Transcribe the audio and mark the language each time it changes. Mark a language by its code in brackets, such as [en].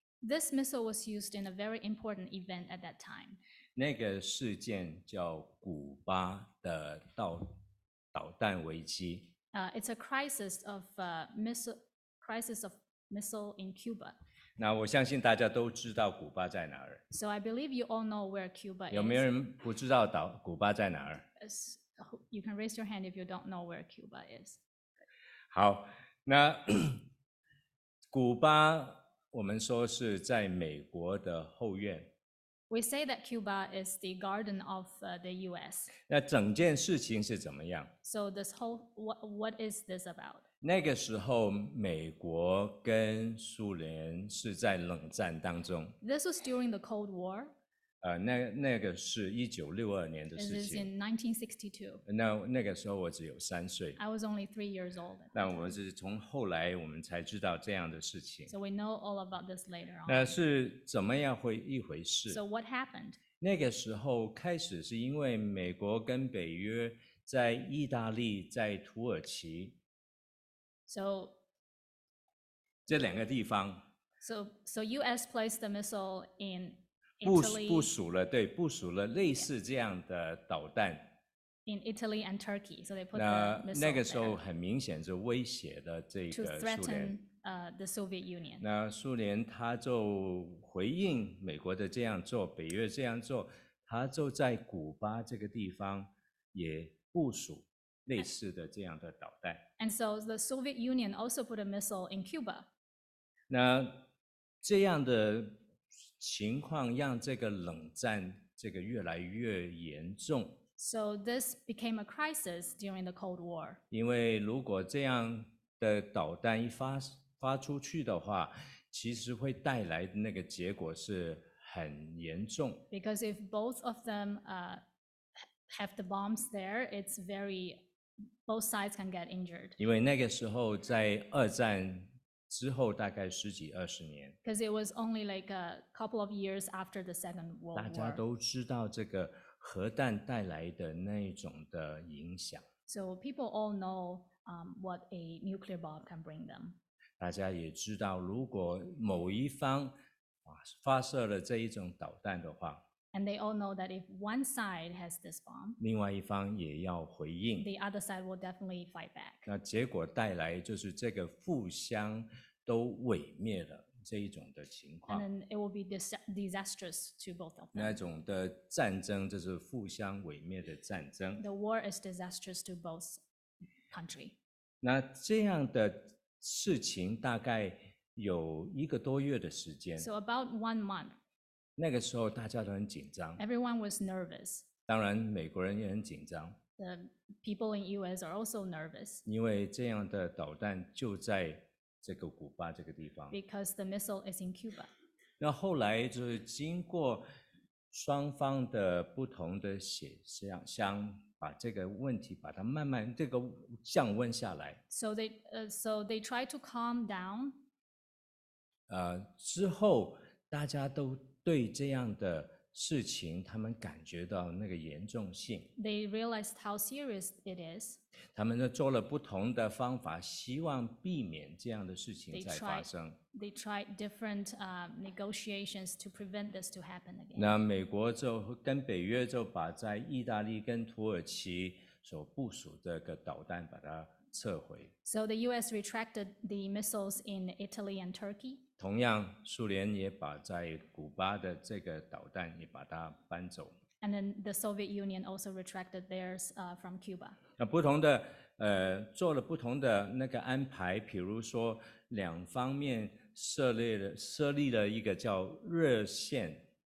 [en] this missile was used in a very important event at that time [zh] 那个事件叫古巴的导弹危机。 [en] It's a crisis of missile in Cuba. [zh] 那我相信大家都知道古巴在哪儿。 [en] So I believe you all know where Cuba is. [zh] 有没有人不知道古巴在哪儿 [en] ？You can raise your hand if you don't know where Cuba is. [zh] 好，那古巴我们说是在美国的后院。 [en] We say that Cuba is the garden of the U.S. [zh] 那整件事情是怎么样 [en] ？So this whole what is this about? [zh] 那个时候，美国跟苏联是在冷战当中。 [en] This was during the Cold War. [zh] 那个是1962年的事情。 [en] This is in 1962. [zh] 那个时候我只有三岁。 [en] I was only 3 years old. [zh] 那我们是从后来我们才知道这样的事情。 [en] So we know all about this later on. [zh] 那是怎么样会一回事 [en] ？So what happened? [zh] 那个时候开始是因为美国跟北约在意大利在土耳其。 [en] So [zh] 这两个地方。 [en] So U.S. placed the missile in. [zh] 部署了对部署了类似这样的导弹。 [en] In Italy and Turkey, so they put the missile there. [zh] 那个时候很明显是威胁的这个苏联。 [en] To threaten the Soviet Union. [zh] 那苏联他就回应美国的这样做，北约这样做，他就在古巴这个地方也部署类似的这样的导弹。 [en] And so the Soviet Union also put a missile in Cuba. [zh] 那这样的。情况让这个冷战这个越来越严重。 [en] So this became a crisis during the Cold War. [zh] 因为如果这样的导弹一发出去的话，其实会带来那个结果是很严重。 [en] Because if both of them have the bombs there, it's very both sides can get injured. [zh] 因为那个时候在二战。之后大概十几二十年 [en] ，Because it was only like a couple of years after the Second World War. [zh] 大家都知道这个核弹带来的那种的影响。 [en] So people all know what a nuclear bomb can bring them. [zh] 大家也知道，如果某一方发射了这一种导弹的话 [en] ，And they all know that if one side has this bomb, [zh] 另外一方也要回应 [en] ，The other side will definitely fight back. [zh] 那结果带来就是这个互相都毁灭了这一种的情况。 [en] And it will be disastrous to both of them. [zh] 那种的战争就是互相毁灭的战争。 [en] The war is disastrous to both countries. [zh] 那这样的事情大概有一个多月的时间。 [en] So about 1 month. [zh] 那个时候大家都很紧张。 [en] Everyone was nervous. [zh] 当然美国人也很紧张。 [en] The people in U.S. are also nervous. [zh] 因为这样的导弹就在这个古巴这个地方。 [en] Because the missile is in Cuba. [zh] 那后来就是经过双方的不同的协商，把这个问题把它慢慢这个降温下来。 [en] So they try to calm down. [zh] 之后大家都对这样的事情，他们感觉到那个严重性。 [en] They realized how serious it is. [zh] 他们做了不同的方法，希望避免这样的事情再发生。 [en] They tried different negotiations to prevent this to happen again. [zh] 那美国就跟北约就把在意大利跟土耳其所部署的个导弹把它撤回。 [en] So the U.S. retracted the missiles in Italy and Turkey. [zh] 同样，苏联也把在古巴的这个导弹也把它搬走。 [en] And then the Soviet Union also retracted theirs from Cuba. [zh] 不同的做了不同的那个安排，比如说两方面设立了一个叫热线。